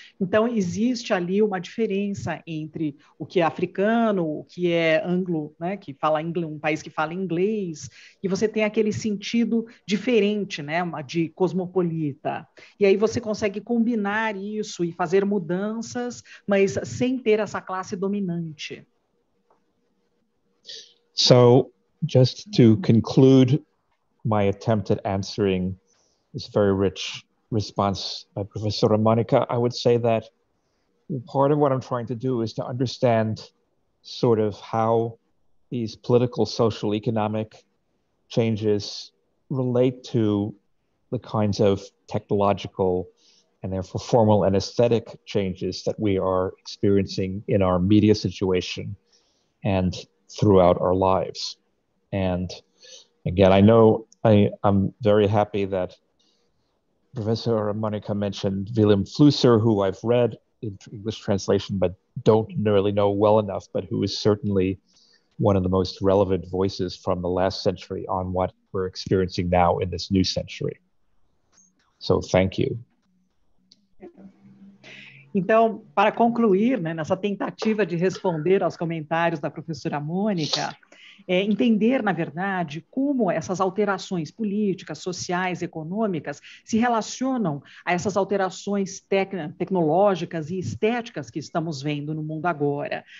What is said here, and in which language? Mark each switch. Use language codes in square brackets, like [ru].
[pt] Então, existe ali uma diferença entre o que é africano, o que é anglo, né? Que fala inglês, um país que fala inglês, e você tem aquele sentido diferente, né? De cosmopolita. E aí você consegue combinar isso e fazer mudanças, mas sem ter essa classe dominante. [en] So just to conclude my attempt at answering this very rich response by Professora Monica, I would say that part of what I'm trying to do is to understand sort of how these political, social, economic changes relate to the kinds of technological and therefore formal and aesthetic changes that we are experiencing in our media situation and throughout our lives. And again, I know I'm very happy that Professor Monica mentioned Willem Flusser, who I've read in English translation, but don't really know well enough, but who is certainly one of the most relevant voices from the last century on what we're experiencing now in this new century. So thank you. [pt] Então, para concluir, né, nessa tentativa de responder aos comentários da professora Mônica, entender, na verdade, como essas alterações políticas, sociais, econômicas se relacionam a essas alterações tecnológicas e estéticas que estamos vendo no mundo agora.